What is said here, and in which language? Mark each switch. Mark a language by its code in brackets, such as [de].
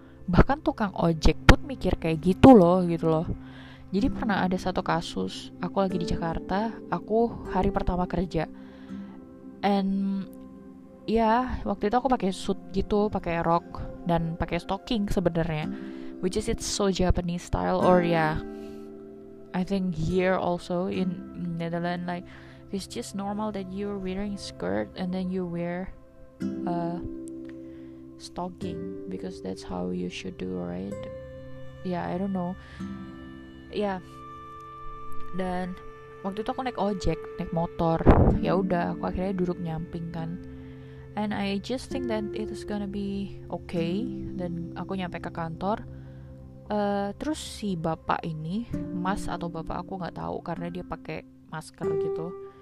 [id] Bahkan tukang ojek pun mikir kayak gitu loh, gitu loh. Jadi pernah ada satu kasus, aku lagi di Jakarta, aku hari pertama kerja. And ya, yeah, waktu itu aku pakai suit gitu, pakai rok dan pakai stocking sebenarnya. [en] Which is it's so Japanese style, or yeah. I think here also in Netherlands, like it's just normal that you're wearing skirt and then you wear stocking because that's how you should do, right? Yeah, I don't know. Yeah. [id] Dan waktu itu aku naik ojek, naik motor. Ya udah, aku akhirnya duduk nyamping kan. [en] And I just think that it is gonna be okay. [id] Dan aku nyampe ke kantor. Terus si bapak ini, mas atau bapak aku nggak tahu karena dia pakai masker gitu.